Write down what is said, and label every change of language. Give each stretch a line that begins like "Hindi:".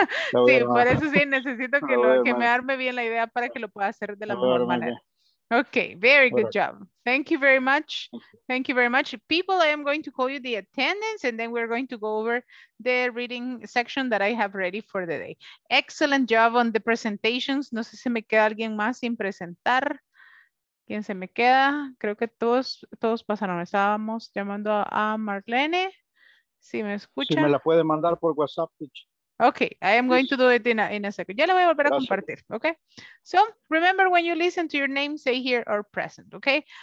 Spanish: Sí, por eso sí necesito que me arme bien la idea para que lo pueda hacer de la mejor manera. Bien.
English: Okay, very good job. Thank you very much. Thank you very much. People, I am going to call you the attendance, and then we're going to go over the reading section that I have ready for the day. Excellent job on the presentations.
Spanish: No sé si me queda alguien más sin presentar. ¿Quién se me queda? Creo que todos pasaron. Estábamos llamando a Marlene. Si me escucha. Si me la puede mandar por WhatsApp, teacher.
English: Okay, I am going to do it in a second.
Spanish: Ya la voy a volver a compartir,
English: okay? So, remember when you listen to your name, say here or present, okay?